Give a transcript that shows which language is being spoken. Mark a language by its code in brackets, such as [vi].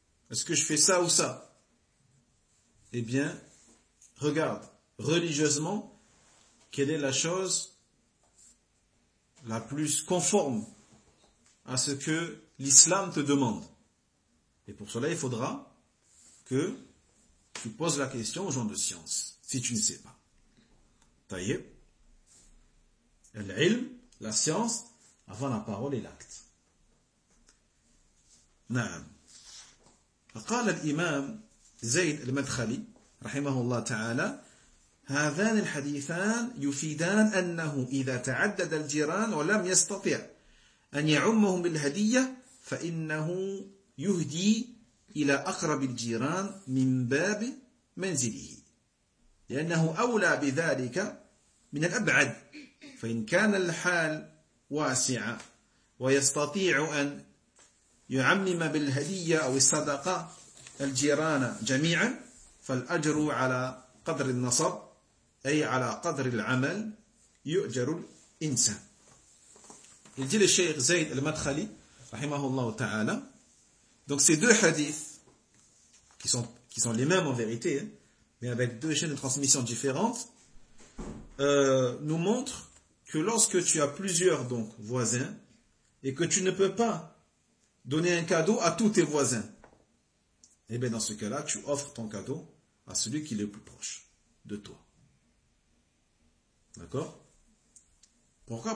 [fr] Est-ce que je fais ça ou ça? Eh bien, regarde, religieusement, quelle est la chose la plus conforme à ce que l'islam te demande? Et pour cela, il faudra que tu poses la question aux gens de science, si tu ne sais pas. Taïeb, l'ilm, la science, avant la parole et l'acte. [ar] Naam. قال الإمام زيد المدخلي رحمه الله تعالى هذان الحديثان يفيدان أنه إذا تعدد الجيران ولم يستطع أن يعمهم بالهدية فإنه يهدي إلى أقرب الجيران من باب منزله لأنه أولى بذلك من الأبعد فإن كان الحال واسعة ويستطيع أن يعمم بالهدية أو الصدقة الجيران جميعا فالأجر على قدر النصب أي على قدر العمل يؤجر الإنسان. يجي الشيخ زيد المدخلي رحمه الله تعالى. [fr] Donc ces deux hadiths qui sont les mêmes en vérité, mais avec deux chaînes de transmission différentes, nous montrent que lorsque tu as plusieurs donc voisins et que tu ne peux pas donner un cadeau à tous tes voisins, eh bien dans ce cas-là, tu offres ton cadeau à celui qui est le plus proche de toi. D'accord? Pourquoi?